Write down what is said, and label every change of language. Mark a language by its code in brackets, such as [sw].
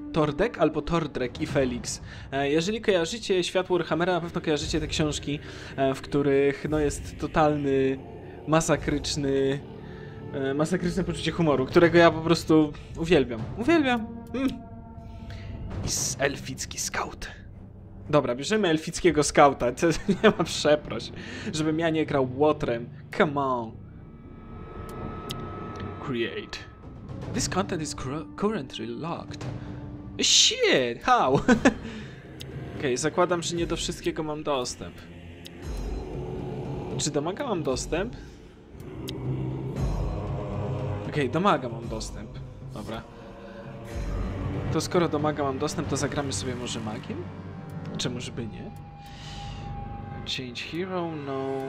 [pl] Tordek albo Tordrek i Felix. Jeżeli kojarzycie świat Warhammera, na pewno kojarzycie te książki, w których no, jest totalny, masakryczne poczucie humoru, którego ja po prostu uwielbiam. Uwielbiam. I elficki scout. Dobra, bierzemy elfickiego skauta. Nie ma przeproś, żebym ja nie grał Łotrem. [en] Come on. Create. This content is currently locked. Shit! How? [pl] Okej, zakładam, że nie do wszystkiego mam dostęp. Czy domaga mam dostęp? Okej, domaga mam dostęp. Dobra. To skoro domaga mam dostęp, to zagramy sobie może magiem? Czemużby nie? [en] Change hero? No.